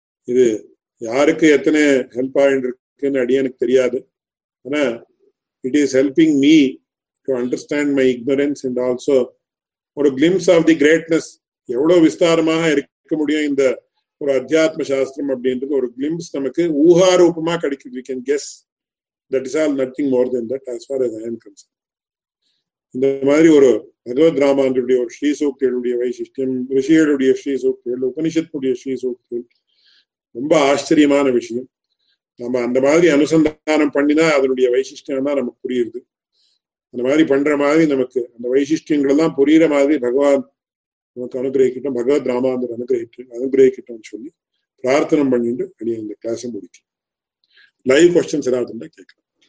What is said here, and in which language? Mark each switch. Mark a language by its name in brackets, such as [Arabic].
[Tamil] இது யாருக்கு எத்தனை ஹெல்ப் ஆயிருக்குன்னு அடி எனக்கு தெரியாது, ஆனா [English] It is helping me to understand my ignorance and also ஒரு glimpse of the greatness. [Tamil] எவ்வளவு விஸ்தாரமாக இருக்க முடியும் இந்த ஒரு அத்தியாத்ம சாஸ்திரம் அப்படின்றது, ஒரு கிளிம்ஸ் நமக்கு ஊகாரூபமா கிடைக்குது. [English] We can guess that is all, nothing more than that as far as I am concerned. [Tamil] இந்த மாதிரி ஒரு பகவத் ராமானுடைய ஒரு ஸ்ரீ சூக்தியுடைய வைசிஷ்டியம், ரிஷிகளுடைய ஸ்ரீ சூக்தியல், உபனிஷத்துடைய ஸ்ரீ சூக்தியல், ரொம்ப ஆச்சரியமான விஷயம். நம்ம அந்த மாதிரி அனுசந்தானம் பண்ணினா அதனுடைய வைசிஷ்டம் தான் நமக்கு புரியுது. அந்த மாதிரி பண்ற மாதிரி நமக்கு அந்த வைசிஷ்டியங்கள் எல்லாம் புரியுற மாதிரி பகவான் நமக்கு அனுகிரகிக்கட்டும், பகவத் ராமானுந்தர் அனுகிரகிக்கட்டும்னு சொல்லி பிரார்த்தனை பண்ணிட்டு அப்படியே இந்த கிளாஸை முடிக்க லைவ் க்வெஸ்சன்ஸ் ஏதாவது இருந்தா கேக்குறேன்.